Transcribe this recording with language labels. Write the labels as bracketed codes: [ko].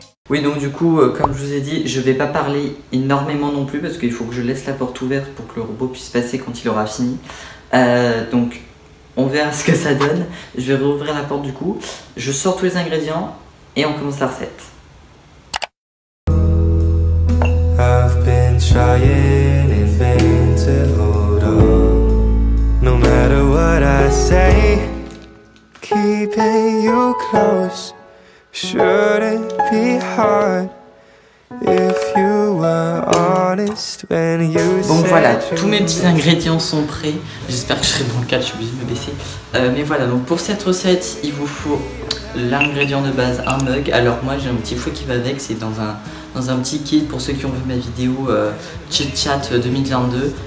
[fr] Oui, donc du coup, comme je vous ai dit, je vais pas parler énormément non plus parce qu'il faut que je laisse la porte ouverte pour que le robot puisse passer quand il aura fini. Donc on verra ce que ça donne. Je vais rouvrir la porte du coup. Je sors tous les ingrédients et on commence la recette. [en] I've been trying in vain to hold on. No matter what I say, keeping you close. Shouldn't be hard if you were honest when you said. [fr] Bon voilà, tous mes petits ingrédients sont prêts. J'espère que je serai dans le cadre, je suis obligée de me baisser. Mais voilà, donc pour cette recette, il vous faut l'ingrédient de base, un mug. Alors moi j'ai un petit fouet qui va avec, c'est dans un petit kit pour ceux qui ont vu ma vidéo Chit Chat 2022.